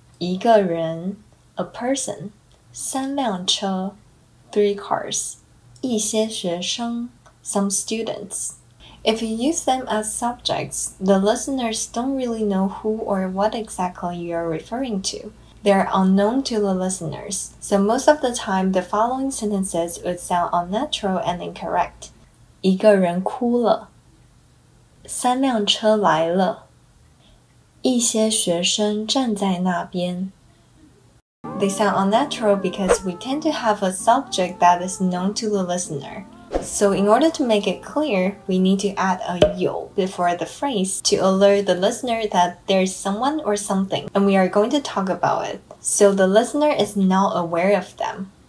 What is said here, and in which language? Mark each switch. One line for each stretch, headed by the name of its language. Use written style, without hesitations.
Chinese: 一个人
English: a person
Chinese: 三辆车
English: three cars
Chinese: 一些学生
English: Some students. If you use them as subjects, the listeners don't really know who or what exactly you are referring to. They are unknown to the listeners, so most of the time the following sentences would sound unnatural and incorrect.
Chinese: 一个人哭了三辆车来了一些学生站在那边
English: They sound unnatural because we tend to have a subject that is known to the listener. So in order to make it clear, we need to add a 有 before the phrase to alert the listener that there is someone or something, and we are going to talk about it, so the listener is not aware of them.